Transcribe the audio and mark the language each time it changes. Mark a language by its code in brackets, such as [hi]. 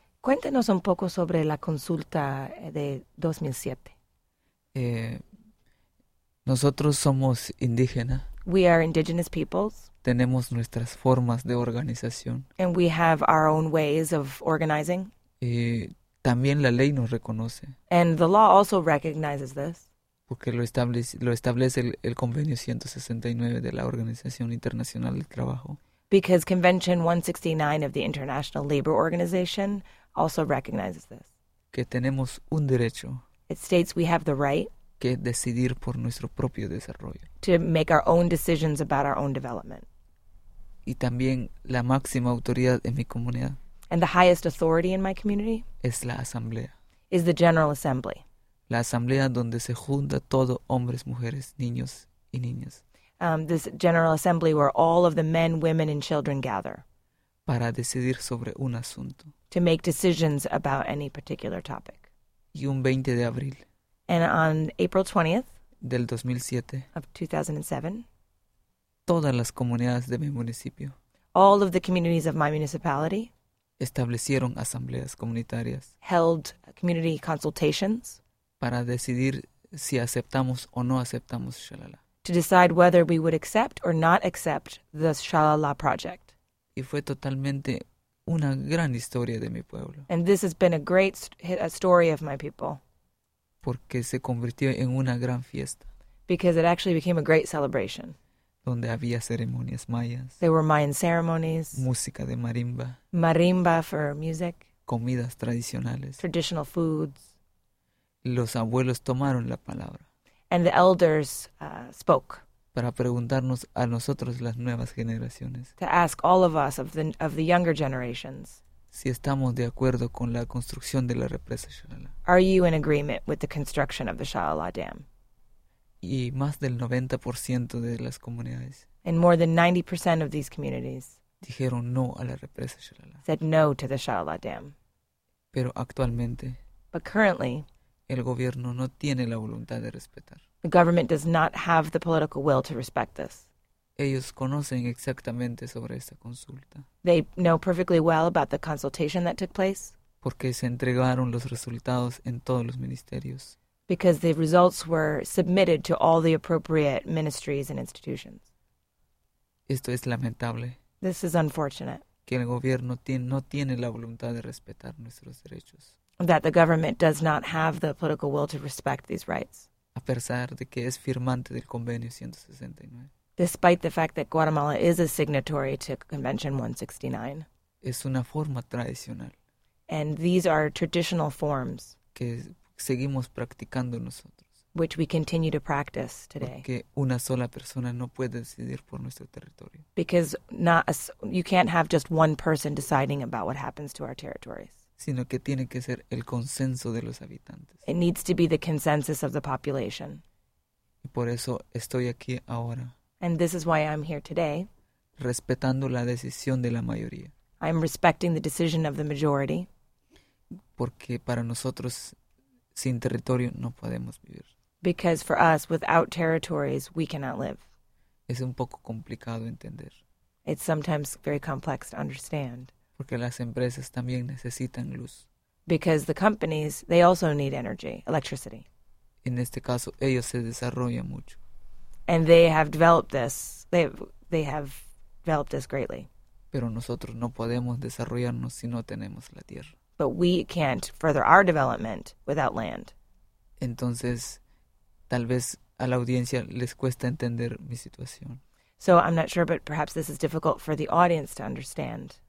[es] Cuéntenos un poco sobre la consulta de 2007. Nosotros somos indígenas. [en] We are indigenous peoples. [es] Tenemos nuestras formas de organización. [en] And we have our own ways of organizing. [es] Y también la ley nos reconoce. [en] And the law also recognizes this. [es] Porque lo establece el convenio 169 de la Organización Internacional del Trabajo. [en] Because Convention 169 of the International Labor Organization also recognizes this. [es] Que tenemos un derecho. [en] It states we have the right. [es] Que decidir por nuestro propio desarrollo. [en] To make our own decisions about our own development. [es] Y también la máxima autoridad en mi comunidad. [en] And the highest authority in my community. [es] Es la Asamblea. [en] Is the General Assembly. [es] La Asamblea donde se junta todo hombres, mujeres, niños y niñas. [en] This General Assembly where all of the men, women, and children gather. [es] Para decidir sobre un asunto. [en] To make decisions about any particular topic. [es] Y un 20 de abril. [en] And on April 20th. [es] Del 2007. [en] Of 2007. [es] Todas las comunidades de mi municipio. [en] All of the communities of my municipality. [es] Establecieron asambleas comunitarias. [en] Held community consultations. [es] Para decidir si aceptamos o no aceptamos Shalala. [en] To decide whether we would accept or not accept the Shalala project. [es] Y fue totalmente una gran historia de mi pueblo. [en] And this has been a great story of my people. [es] Porque se convirtió en una gran fiesta. [en] Because it actually became a great celebration. [es] Donde había ceremonias mayas. [en] There were Mayan ceremonies. [es] Música de marimba. [en] Marimba for music. [es] Comidas tradicionales. [en] Traditional foods. [es] Los abuelos tomaron la palabra. [en] And the elders spoke. [es] Para preguntarnos a nosotros las nuevas generaciones. [en] To ask all of us of the younger generations. [es] Si estamos de acuerdo con la construcción de la represa Shalala. [en] Are you in agreement with the construction of the Shalala Dam? [es] Y más del 90% de las comunidades. [en] And more than 90% of these communities. [es] Dijeron no a la represa Shalala. [en] Said no to the Shalala Dam. [es] Pero actualmente. [en] But currently. [es] El gobierno no tiene la voluntad de respetar. [en] The government does not have the political will to respect this. [es] Ellos conocen exactamente sobre esta consulta. [en] They know perfectly well about the consultation that took place. [es] Porque se entregaron los resultados en todos los ministerios. [en] Because the results were submitted to all the appropriate ministries and institutions. [es] Esto es lamentable. [en] This is unfortunate. [es] Que el gobierno no tiene la voluntad de respetar nuestros derechos. [en] That the government does not have the political will to respect these rights. [es] A pesar de que es firmante del convenio 169. [en] Despite the fact that Guatemala is a signatory to Convention 169. [es] Es una forma tradicional. [en] And these are traditional forms. [es] Que seguimos practicando nosotros. [en] Which we continue to practice today. [es] Porque una sola persona no puede decidir por nuestro territorio. [en] Because you can't have just one person deciding about what happens to our territories. [es] Sino que tiene que ser el consenso de los habitantes. [en] It needs to be the consensus of the population. [es] Y por eso estoy aquí ahora. [en] And this is why I'm here today. [es] Respetando la decisión de la mayoría. [en] I'm respecting the decision of the majority. [es] Porque para nosotros, sin territorio, no podemos vivir. [en] Because for us, without territories, we cannot live. [es] Es un poco complicado entender. [en] It's sometimes very complex to understand. [es] Porque las empresas también necesitan luz. [en] Because the companies, they also need energy, electricity. [es] En este caso, ellos se desarrollan mucho. [en] And they have developed this. They have developed this greatly. [es] Pero nosotros no podemos desarrollarnos si no tenemos la tierra. [en] But we can't further our development without land. [es] Entonces, tal vez a la audiencia les cuesta entender mi situación. [en] So I'm not sure, but perhaps this is difficult for the audience to understand.